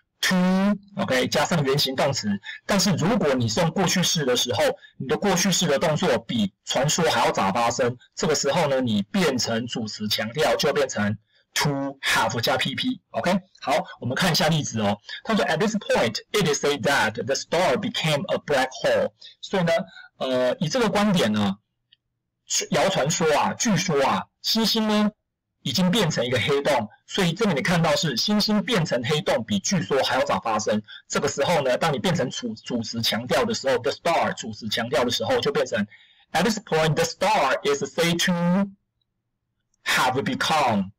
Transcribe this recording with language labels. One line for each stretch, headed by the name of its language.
English: to，OK、okay?
Chinese: 加上原形动词。但是如果你是用过去式的时候，你的过去式的动作比传说还要早发生，这个时候呢，你变成主词强调就变成
English: to have
Chinese: 加 PP。
English: OK，
Chinese: 好，我们看一下例子哦。他说
English: ，At this point, it is said that the star became a black hole。
Chinese: 所以呢，以这个观点呢，谣传说啊，据说啊，星星呢已经变成一个黑洞。所以这里你看到是星星变成黑洞，比据说还要早发生。这个时候呢，当你变成主词强调的时候 ，
English: the star
Chinese: 主词强调的时候，就变成
English: At this point, the star is said to have become。